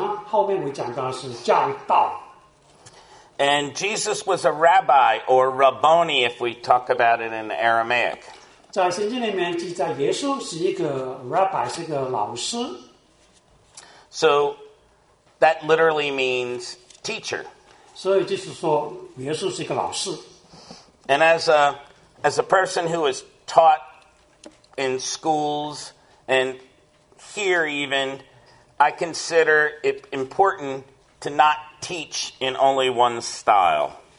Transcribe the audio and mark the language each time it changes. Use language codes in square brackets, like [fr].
[zh] 当那个讲道的通常后面会讲到是教导。 [en] And Jesus was a rabbi or rabboni, if we talk about it in Aramaic. [zh] 在圣经里面记载，耶稣是一个 rabbi， 是一个老师。 [en] So that literally means teacher. [zh] 所以就是说，耶稣是一个老师。 [en] And as a person who is taught in schools and here even, I consider it important to not teach in only one style.